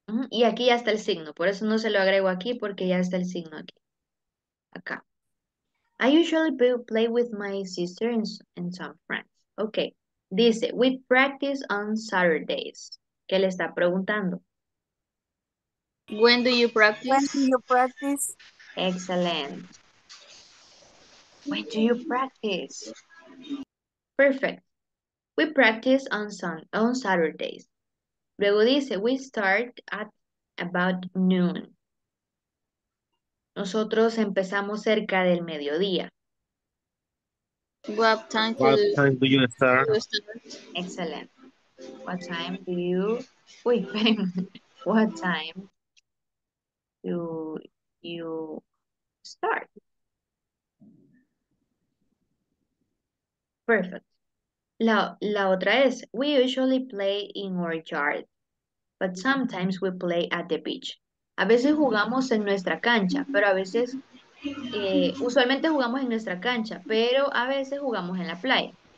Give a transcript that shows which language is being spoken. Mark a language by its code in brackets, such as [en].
[es] Y aquí ya está el signo, por eso no se lo agrego aquí, porque ya está el signo aquí. Acá. [en] I usually play with my sister and some friends. Ok. Dice, we practice on Saturdays. [es] ¿Qué le está preguntando? [en] When do you practice? When do you practice? Excellent. When do you practice? Perfect. We practice on Saturdays. [es] Luego dice, [en] we start at about noon. [es] Nosotros empezamos cerca del mediodía. [en] What time, do you start? Excellent. What time do you... Wait, wait. What time do you start? Perfect. [es] La otra es, [en] we usually play in our yard, but sometimes we play at the beach. [es] A veces jugamos en nuestra cancha, pero a veces, usualmente jugamos en nuestra cancha, pero a veces jugamos en la playa.